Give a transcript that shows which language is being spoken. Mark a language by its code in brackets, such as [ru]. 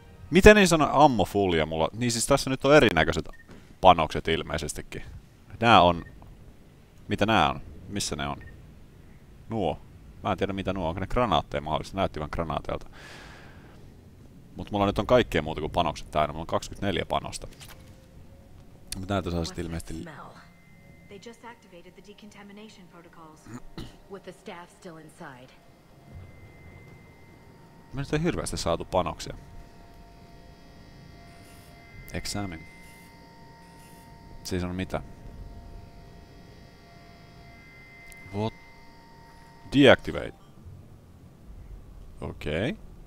[fi] Miten niin sanoi ammo fullia mulla? Niin siis tässä nyt on erinäköiset panokset ilmeisestikin. Nää on... mitä nää on? Missä ne on? Nuo. Mä en tiedä mitä nuo on. Onko ne granaatteja mahdollista? Näytti vaan granaateilta. Mut mulla nyt on kaikkea muuta kuin panokset täynnä. Mulla on 24 panosta. Mut näitä saa sitten ilmeisesti... [en] They just activated the decontamination protocols with the staff still inside. [fi] Me nyt ei hirveästi saatu panoksia. [en] Examine. [fi] Siis on mitä? [en] What? Deactivate. Okei. Okay.